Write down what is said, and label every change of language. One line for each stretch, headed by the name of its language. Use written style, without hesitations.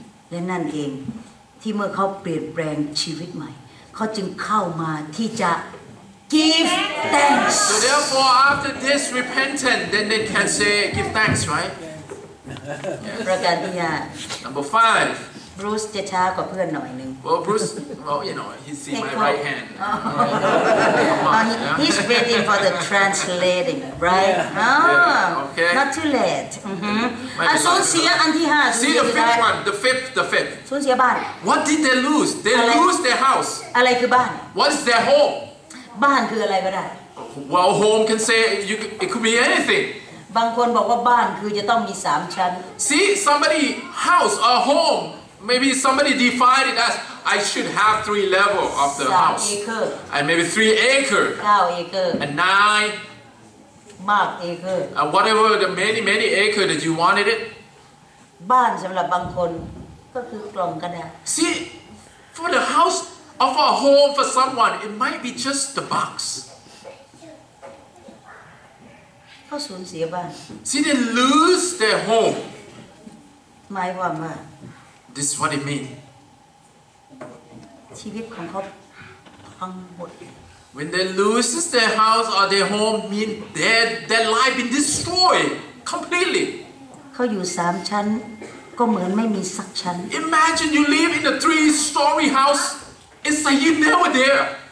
Thai: และนั่นเองที่เมื่อเขาเปลี่ยนแปลงชีวิตใหม่เขาจึงเข้ามาที่จะ
English: give thanks so therefore after this repentance then they can say give thanks right
Thai: ประการที่ห้า
English: number five
Thai: Bruce จะช้ากว่าเพื่อนหน่อยนึง
English: well Bruce well you know he's in my right hand he's waiting for the translating right okay not too late
Thai: สูญเสียอันที่ห้า
English: see the fifth
Thai: สูญเสียบ้าน
English: what did they lose they lose their house
Thai: อะไรคือบ้าน
English: what is their home
Thai: บ้านคืออะไรก็ได้
English: well home can say you it could be anything
Thai: บางคนบอกว่าบ้านคือจะต้องมี3ชั้น
English: See somebody house or home maybe somebody defined it as I should have 3 level of the house 3 acre and maybe 3 acre 9 acre and 9
Thai: มาก acre
English: and whatever the many acre that you wanted it
Thai: บ้านสําหรับบางคนก็คือกล่องกระดา
English: ษ See for the house of a home for someone it might be just the box
Thai: เขาสูญเสียบ้าน
English: See they lose their home
Thai: หมายความว่า
English: This is what it means
Thai: ชีวิตของเขาพังหมด
English: When they lose their house or their home mean their life been destroyed completely
Thai: เขาอยู่3ชั้นก็เหมือนไม่มีสักชั้น
English: Imagine you live in a 3 story house it's like you never there